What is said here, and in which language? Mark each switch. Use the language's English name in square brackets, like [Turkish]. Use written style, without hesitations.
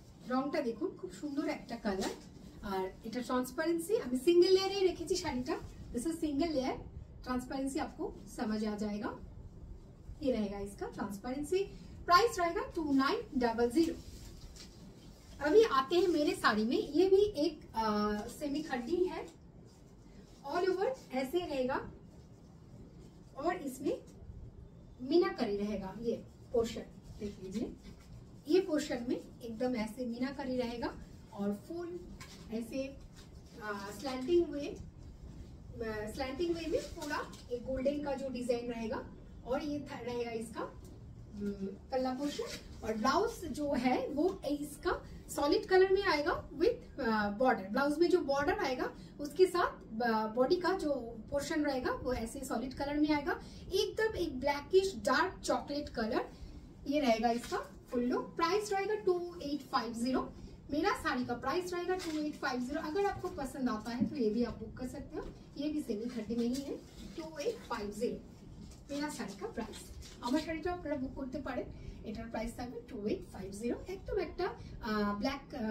[Bangla] রংটা দেখুন খুব সুন্দর একটা কালার আর এটা ট্রান্সপারেন্সি আমি সিঙ্গেল লেয়ারে রেখেছি শাড়িটা [English] this is single layer [Hindi] transparency आपको समझ आ जाएगा ये रहेगा इसका ट्रांसपेरेंसी प्राइस रहेगा 2900। अभी आते हैं मेरे साड़ी में ये भी एक सेमी खड्डी है ऑल ओवर ऐसे रहेगा और इसमें मीनाकारी रहेगा ये पोर्शन देख लीजिए ये पोर्शन में एकदम ऐसे मीनाकारी रहेगा और फुल ऐसे स्लैंटिंग हुए स्लैंटिंग में भी थोड़ा एक गोल्डन का जो डिजाइन रहेगा और ये रहेगा इसका पल्ला पोर्शन और ब्लाउज जो है वो इसका सॉलिड कलर में आएगा विथ बॉर्डर ब्लाउज में जो बॉर्डर आएगा उसके साथ बॉडी का जो पोर्शन रहेगा वो ऐसे सॉलिड कलर में आएगा एकदम एक ब्लैकिश डार्क चॉकलेट कलर ये रहेगा इसका फुल लुक प्राइस रहेगा 2850। मेरा साड़ी का प्राइस रहेगा 2850। अगर आपको पसंद आता है तो ये भी आप बुक कर सकते हो ये भी सेमी खड्डी में ही है 2850 मेरा साड़ी का प्राइस [Bangla] আমার শাড়িটা আপনারা বুক করতে পারেন এটার প্রাইস থাকবে 2850 একদম একটা ব্ল্যাক